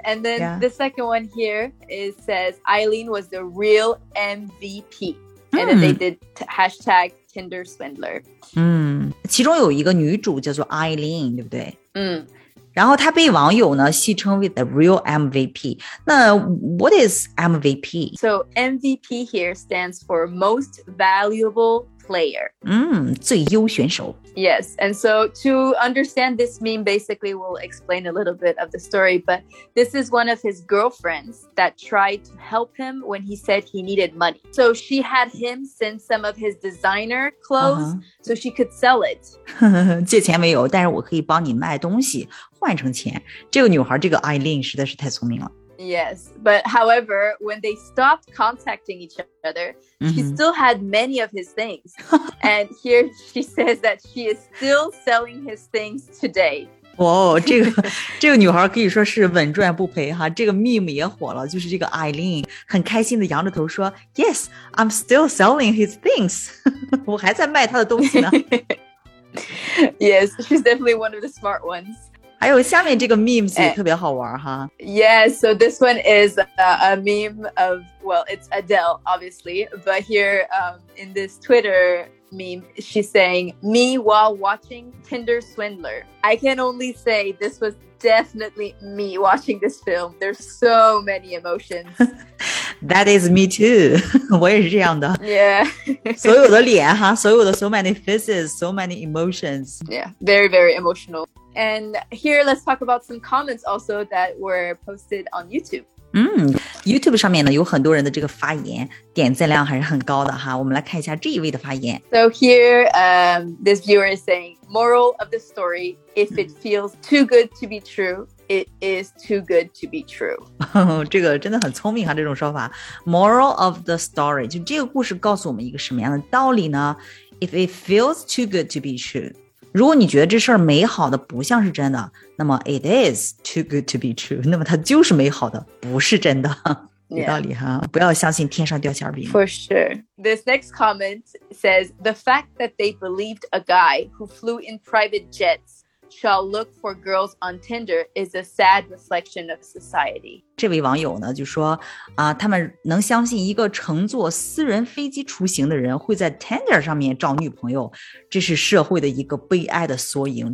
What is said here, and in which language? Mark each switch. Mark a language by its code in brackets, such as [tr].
[en] And then the second one here, it says Eileen was the real MVP. And then they did hashtag Tinder Swindler. [zh] 其中有一个女主叫做 Eileen, 对不对？嗯。然后她被网友呢戏称为 [en] the real MVP. [zh] 那 [en] what is MVP? So MVP here stands for most valuable player. [zh] 最优选手。 [en] Yes, and so to understand this meme, basically we'll explain a little bit of the story, but this is one of his girlfriends that tried to help him when he said he needed money. So she had him send some of his designer clothes so she could sell it. [zh] 借钱没有，但是我可以帮你卖东西，换成钱。这个女孩，这个 Eileen 实在是太聪明了。 [en] Yes, but however, when they stopped contacting each other, she still had many of his things. And here she says that she is still selling his things today. [zh] 哇、哦、这个女孩可以说是稳赚不赔哈。这个 meme 也火了，就是这个 Eileen 很开心地扬着头说 [en] Yes, I'm still selling his things. [zh] 我还在卖她的东西呢。 [en] Yes, she's definitely one of the smart ones. [zh] 还有下面这个 memes 也特别好玩哈。 [en] Yeah, so this one is a meme of, well, it's Adele, obviously. But here, in this Twitter meme, she's saying, me while watching Tinder Swindler. I can only say this was definitely me watching this film. There's so many emotions. That is me too. [zh] 我也是这样的。 [en] Yeah. [zh] 所有的脸哈，所有的 [en] so many faces, so many emotions. Yeah, very, very emotional. And here, let's talk about some comments also that were posted on YouTube. [zh] YouTube 上面呢有很多人的这个发言，点赞量还是很高的哈。我们来看一下这一位的发言。 [en] So here, this viewer is saying, moral of the story, if it feels too good to be true, it is too good to be true. [zh] 这个真的很聪明哈，这种说法。 [en] Moral of the story, [zh] 就这个故事告诉我们一个什么样的道理呢？ [en] If it feels too good to be true, [zh] 如果你觉得这事儿美好的不像是真的，那么 [en] it is too good to be true， [zh] 那么它就是美好的，不是真的。有道理哈，不要相信天上掉馅饼。 [en] For sure. This next comment says, the fact that they believed a guy who flew in private jets shall look for girls on Tinder is a sad reflection of society. [zh] 这位网友呢就说啊，他们能相信一个乘坐私人飞机出行的人会在 Tinder 上面找女朋友，这是社会的一个悲哀的缩影。